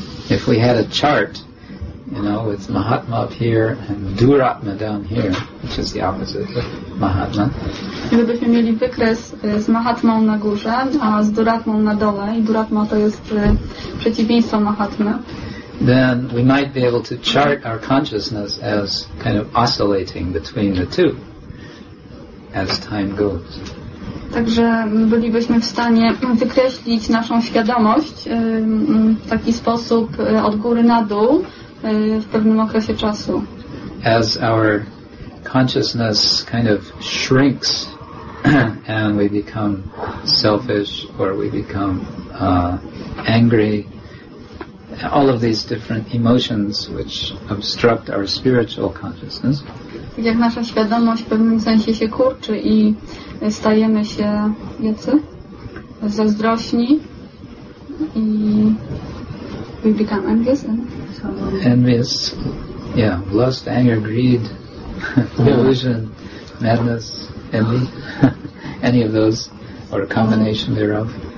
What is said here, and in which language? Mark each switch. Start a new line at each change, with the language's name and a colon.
English: If we had a chart, you know, with mahatma up here and duratma down here, which is the opposite of mahatma.
Polish: Gdybyśmy mieli wykres z mahatmą na górze, a z duratmą na dole, i duratma to jest przeciwieństwo mahatmy,
English: then we might be able to chart our consciousness as kind of oscillating between the two as time goes.
Polish: Także bylibyśmy w stanie wykreślić naszą świadomość w taki sposób od góry na dół w pewnym okresie czasu.
English: As our consciousness kind of shrinks and we become selfish or we become angry, all of these different emotions which obstruct our spiritual consciousness.
Polish: Jak nasza świadomość w pewnym sensie się kurczy i stajemy się jacy? Zazdrośni i
English: we become envious. Envious, yeah, lust, anger, greed, illusion, madness, envy, any of those, or a combination thereof.